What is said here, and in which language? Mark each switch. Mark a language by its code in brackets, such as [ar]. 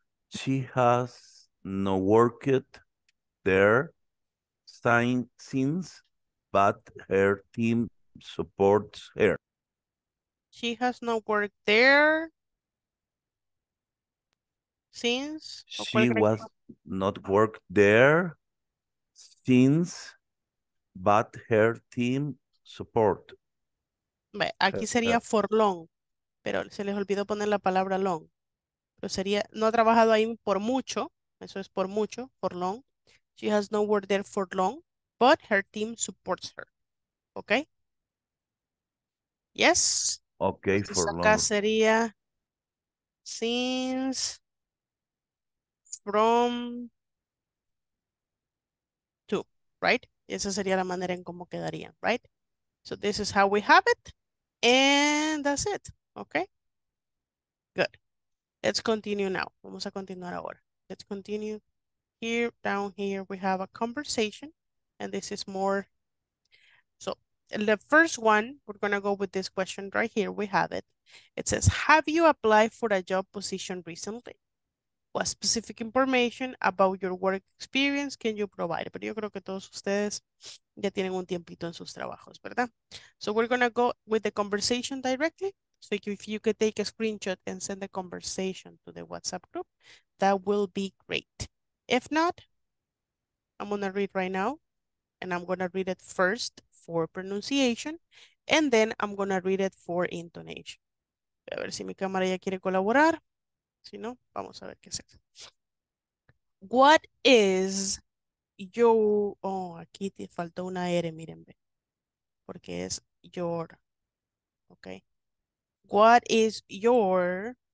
[en] She has no worked there since, but her team supports her. She has no worked there since. She was not worked there since, but her team support. [es] Aquí sería [en] for long, [es] pero se les olvidó poner la palabra long. Pero sería, no ha trabajado ahí por mucho. Eso es por mucho, [en] for long. She has no work there for long, but her team supports her. ¿Ok? Yes. Okay, [es] entonces for acá longer. Sería [en] since, from, to, right? [es] Y esa sería la manera en cómo quedaría, right? [en] So this is how we have it. And that's it, okay? Good. Let's continue now. [es] Vamos a continuar ahora. [en] Let's continue. Here, down here, we have a conversation. And this is more. So the first one, we're going to go with this question right here. We have it. It says, have you applied for a job position recently? What specific information about your work experience can you provide? [es] Pero yo creo que todos ustedes ya tienen un tiempito en sus trabajos, ¿verdad? [en] So we're going to go with the conversation directly. So if you could take a screenshot and send the conversation to the WhatsApp group, that will be great. If not, I'm going to read right now, and I'm going to read it first for pronunciation, and then I'm going to read it for intonation. [es] A ver si mi cámara ya quiere colaborar. Si no, vamos a ver qué es eso. [en] What is your... Oh, [es] aquí te faltó una R, miren. Porque es [en] your. Okay. What is your...